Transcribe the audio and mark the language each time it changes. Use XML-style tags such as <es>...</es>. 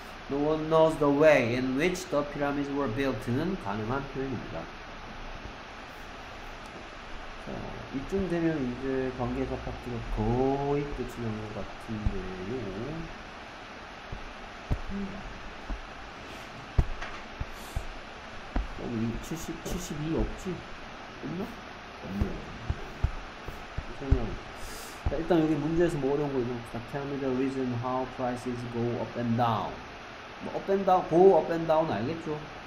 <en>No one knows the way in which the pyramids were built</en> <ko>는 가능한 표현입니다. 자, 이쯤 되면 이제 관계사 파트가 거의 끝이 난것 같은데요. 여기 72 없지? 있나? 없네요. 일단 여기 문제에서 뭐 어려운 거 있나?</ko> <en>Tell me the reason how prices go up and down. 뭐 up and down, go up and down</en> <ko>알겠죠?</ko>